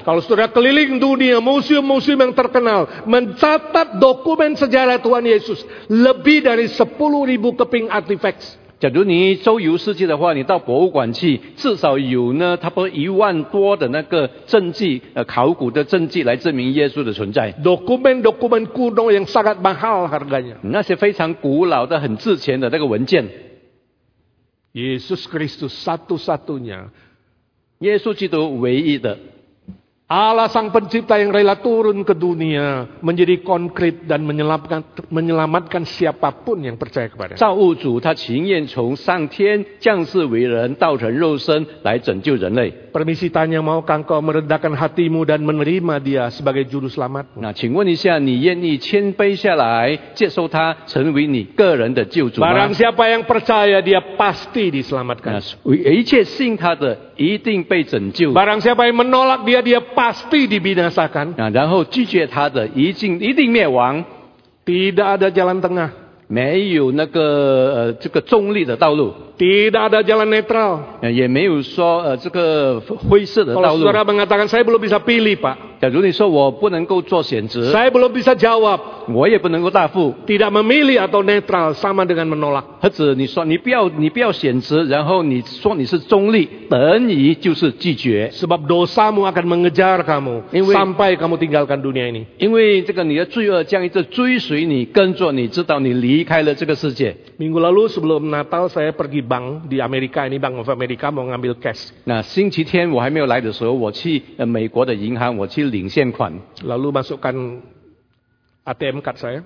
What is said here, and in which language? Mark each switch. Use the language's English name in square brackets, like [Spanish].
[Indonesian] Kalau saudara keliling dunia, museum-museum yang terkenal mencatat dokumen sejarah Tuhan Yesus lebih dari 10.000 keping artifacts. [Chinese] 假如你周游世界的话，你到博物馆去，至少有呢，差不多10,000+的那个证据，考古的证据来证明耶稣的存在。 [Indonesian] Dokumen kuno yang sangat mahal harganya. [Chinese] 那些非常古老的、很值钱的那个文件。 [Indonesian] Yesus Kristus satu-satunya. [Chinese] 耶稣基督唯一的。 [Indonesian] Allah sang pencipta yang rela turun ke dunia menjadi konkret dan menyelamatkan siapapun yang percaya kepada. [Chinese] 造物主他情愿从上天降世为人，道成肉身来拯救人类。 [Indonesian] Permisi tanya, maukah kau merendahkan hatimu dan menerima dia sebagai juru selamat? [Chinese] 请问一下，你愿意谦卑下来，接受他成为你个人的救主吗？ [Indonesian] Barang siapa yang percaya dia pasti diselamatkan. [Chinese] 一切信他的一定被拯救。 [Indonesian] Barang siapa yang menolak dia, dia pasti dibinasakan. [Chinese] 然后拒绝他的一定灭亡。 [Indonesian] Tidak ada jalan tengah. [Chinese] 没有那个这个中立的道路。 [Indonesian] Tidak ada jalan netral. [Chinese] 也没有说这个灰色的道路。 [Indonesian] Kalau saudara mengatakan saya belum bisa pilih, Pak. [Chinese] 假如你说我不能够做选择。 [Indonesian] Saya belum bisa jawab. [Chinese] 我也不能够答复。 [Indonesian] Tidak memilih atau netral sama dengan menolak。 [Chinese] 孩子，你说你不要选择，然后你说你是中立，等于就是拒绝。 [Indonesian] Sebab dosamu akan mengejar kamu sampai kamu tinggalkan dunia ini。 [Chinese] 因为这个你的罪恶将一直追随你，跟着你，直到你离开了这个世界。 [Indonesian] Minggu lalu sebelum Natal saya pergi bank di Amerika ini Bank of America mau ngambil cash。 [Chinese] 那星期天我还没有来的时候，我去美国的银行，我去领现款。 [Indonesian] Lalu masukkan ATM card saya。